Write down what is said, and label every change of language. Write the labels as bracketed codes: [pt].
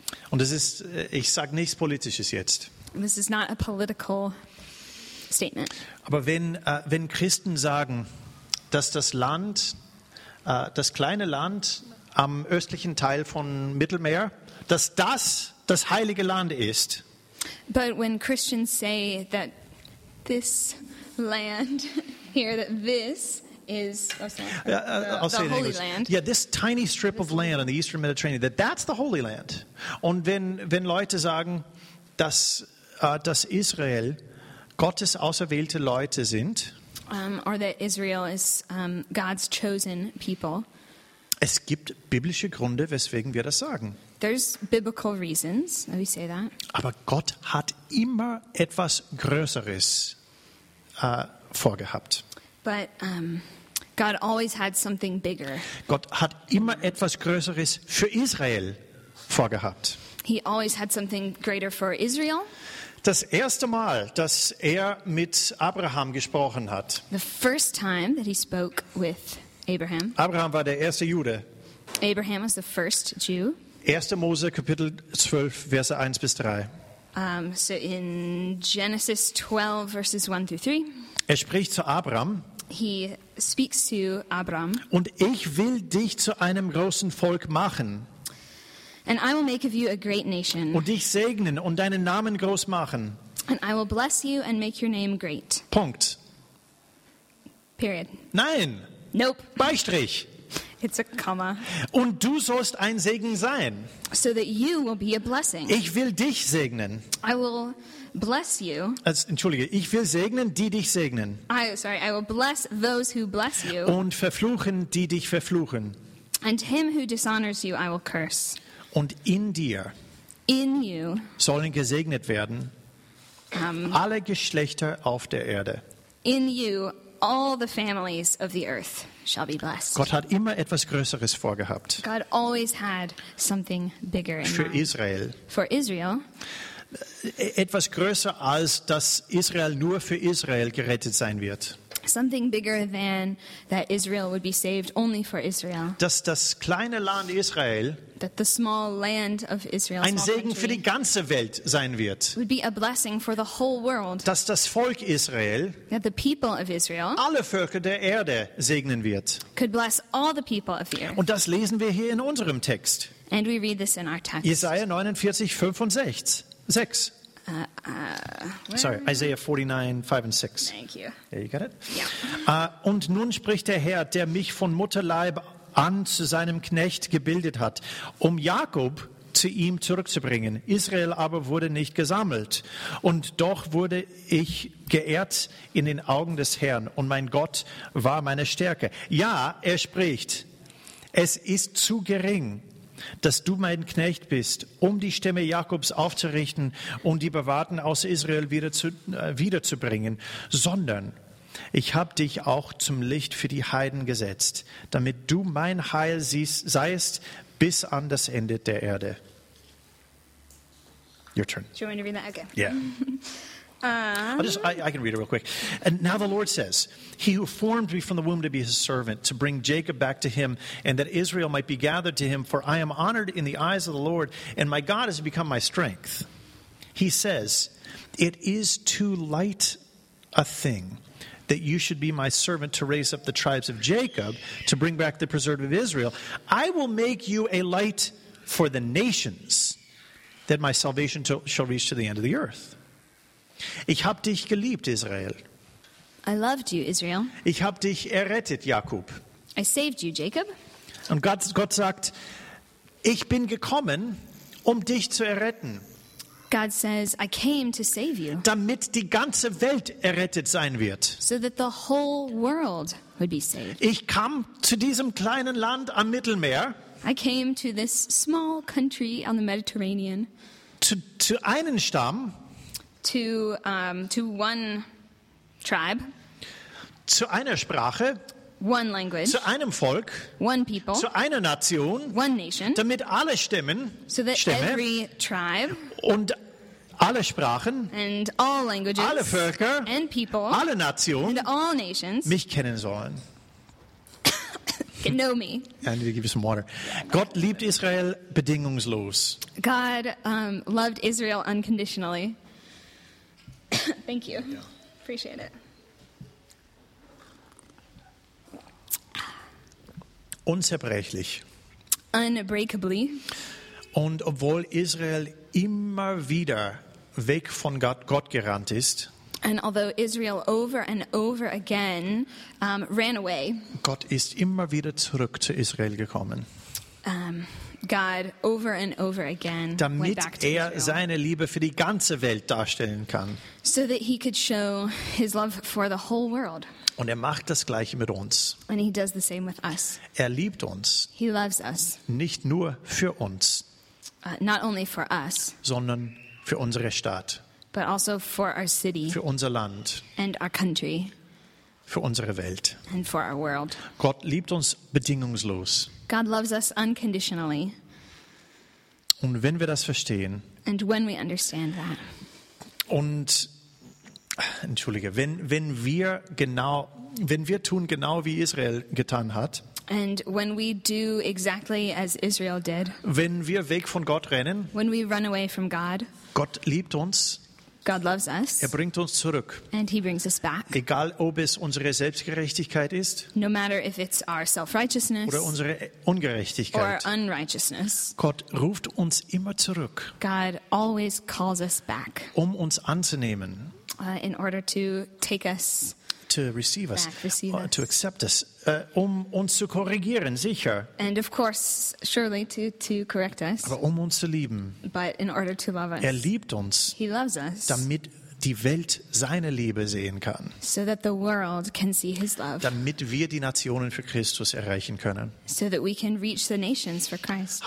[de] Und es ist, ich sage nichts Politisches jetzt. [en] This is not a political statement. [de] Aber wenn Christen sagen, dass das Land, das kleine Land am östlichen Teil von Mittelmeer, dass das das heilige Land ist. [en] But when Christians say that this land here, that this is the holy English. Land. Yeah, this tiny strip of land in the eastern Mediterranean, that's the holy land. [de] Und wenn Leute sagen, dass Israel Gottes auserwählte Leute sind, [en] Or that Israel is God's chosen people. [de] Es gibt biblische Gründe, weswegen wir das sagen. [en] There's biblical reasons that we say that. [de] Aber Gott hat immer etwas Größeres vorgehabt. [en] But God always had something bigger. [de] Gott hat immer etwas Größeres für Israel vorgehabt. [en] He always had something greater for Israel. [de] Das erste Mal, dass er mit Abraham gesprochen hat. [en] The first time that he spoke with Abraham. [de] Abraham war der erste Jude. [en] Abraham was the first Jew. [de] 1. Mose Kapitel 12 Verse 1 bis 3. [en] So in Genesis 12 verses 1 through 3. [de] Er spricht zu Abraham. [en] He speaks to Abraham. [de] Und ich will dich zu einem großen Volk machen. [en] And I will make of you a great nation. [de] Und dich segnen und deinen Namen groß machen. [en] And I will bless you and make your name great. [de] Punkt. [en] Period. [de] Nein. [en] Nope. [de] Beistrich. [en] It's a comma. [de] Und du sollst ein Segen sein. [en] So that you will be a blessing. [de] Ich will dich segnen. [en] I will bless you. [de] Entschuldige, ich will segnen, die dich segnen. [en] I will bless those who bless you. [de] Und verfluchen, die dich verfluchen. [en] And him who dishonors you, I will curse. [de] Und in dir [en] in you, [de] sollen gesegnet werden alle Geschlechter auf der Erde. [en] In you, all the families of the earth shall be blessed. [de] Gott hat immer etwas Größeres vorgehabt. [en] God always had something bigger in [de] für Israel. [en] For Israel. [de] Etwas größer als, dass Israel nur für Israel gerettet sein wird. [en] Something bigger than that Israel would be saved only for Israel. [de] Dass das kleine Land Israel, [en] that the small land of Israel, [de] ein Segen für die ganze Welt sein wird. [en] Would be a blessing for the whole world. [de] Dass das Volk Israel, [en] that the people of Israel, [de] alle Völker der Erde segnen wird. [en] Could bless all the people of the earth. [de] Und das lesen wir hier in unserem Text. [en] And we read this in our text. [de] Jesaja 49, 5 und 6. [en] Isaiah 49, 5 and 6. Thank you. There, you got it? Yeah. [de] Und nun spricht der Herr, der mich von Mutterleib an zu seinem Knecht gebildet hat, um Jakob zu ihm zurückzubringen. Israel aber wurde nicht gesammelt. Und doch wurde ich geehrt in den Augen des Herrn, und mein Gott war meine Stärke. Ja, er spricht, es ist zu gering, dass du mein Knecht bist, um die Stämme Jakobs aufzurichten und die Bewahrten aus Israel wiederzubringen, sondern ich habe dich auch zum Licht für die Heiden gesetzt, damit du mein Heil seist bis an das Ende der Erde. [en] Your turn. Do you want me to read that again? Yeah. I can read it real quick. And now the Lord says, he who formed me from the womb to be his servant, to bring Jacob back to him, and that Israel might be gathered to him, for I am honored in the eyes of the Lord, and my God has become my strength. He says, it is too light a thing that you should be my servant to raise up the tribes of Jacob to bring back the preserve of Israel. I will make you a light for the nations, that my salvation shall reach to the end of the earth. [de] Ich hab dich geliebt, Israel. [en] I loved you, Israel. [de] Ich hab dich errettet, Jakob. [en] I saved you, Jacob. [de] Und Gott sagt, ich bin gekommen, um dich zu erretten. [en] God says, I came to save you. [de] Damit die ganze Welt errettet sein wird. [en] So that the whole world would be saved. [de] Ich kam zu diesem kleinen Land am Mittelmeer. [en] I came to this small country on the Mediterranean. [de] To einen Stamm. [en] To one tribe. [de] Zu einer Sprache. [en] One language, [de] zu einem Volk, [en] one people, [de] zu einer Nation, [en] one nation, [de] damit alle Stämme, [en] so that [de] Stämme [en] every tribe, [de] und alle Sprachen, [en] and all languages, [de] alle Völker, [en] and people, [de] alle Nationen, [en] and all nations, [de] mich kennen sollen. [en] Know me. I need to give you some water. [de] Gott liebt Israel bedingungslos. [en] God loved Israel unconditionally. Thank you. Appreciate it. [de] Unzerbrechlich. [en] Unbreakably. [de] Und obwohl Israel immer wieder weg von Gott gerannt ist, [en] and although Israel over and over again ran away, [de] Gott ist immer wieder zurück zu Israel gekommen. [en] God over and over again went back to Israel. [de] Damit er seine Liebe für die ganze Welt darstellen kann. [en] So that he could show his love for the whole world. [de] Und er macht das Gleiche mit uns. [en] And he does the same with us. [de] Er liebt uns. [en] He loves us. [de] Nicht nur für uns. [en] Not only for us. [de] Sondern für unsere Stadt. [en] But also for our city. [de] Für unser Land. [en] And our country. [de] Für unsere Welt. [en] And for our world. [de] Gott liebt uns bedingungslos. [en] God loves us unconditionally. [de] Und wenn wir das verstehen. [en] And when we understand that. [de] Und entschuldige, wenn wir tun genau wie Israel getan hat. [en] And when we do exactly as Israel did. [de] Wenn wir weg von Gott rennen. [en] When we run away from God. [de] Gott liebt uns. [en] God loves us. [de] Er bringt uns zurück. [en] And he brings us back. [de] Egal ob es unsere Selbstgerechtigkeit ist. [en] No matter if it's our self-righteousness. [de] Oder unsere Ungerechtigkeit. [en] Or unrighteousness. [de] Gott ruft uns immer zurück. [en] God always calls us back. [de] Um uns anzunehmen. [en] In order to take us to receive us, back, receive to accept us, [de] um uns zu korrigieren, sicher. [en] And of course, surely to correct us. [de] Aber um uns zu lieben. [en] But in order to love us. [de] Er liebt uns. [en] He loves us. [de] Damit die Welt seine Liebe sehen kann. [en] So that the world can see his love. [de] Damit wir die Nationen für Christus erreichen können. [en] So that we can reach the nations for Christ.